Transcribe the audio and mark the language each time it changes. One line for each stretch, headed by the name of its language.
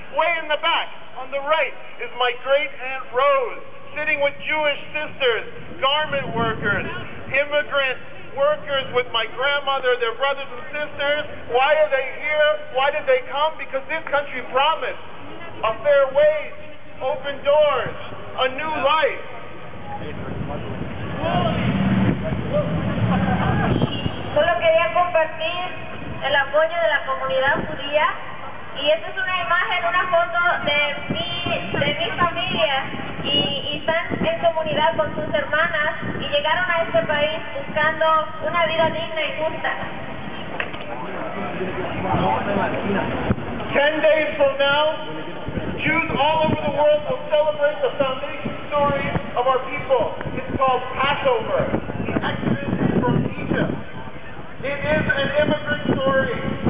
English: Way in the back, on the right, is my great aunt Rose, sitting with Jewish sisters, garment workers, immigrants, workers with my grandmother, their brothers and sisters. Why are they here? Why did they come? Because this country promised a fair wage, open doors, a new life.
Spanish: Solo quería compartir el apoyo de la comunidad judía. Y esta es una imagen, una foto de mi familia. Y están en comunidad con sus hermanas y llegaron a este país buscando una vida digna y justa.
English: 10 days from now, Jews all over the world will celebrate the foundation story of our people. It's called Passover, the Exodus from Egypt. It is an immigrant story.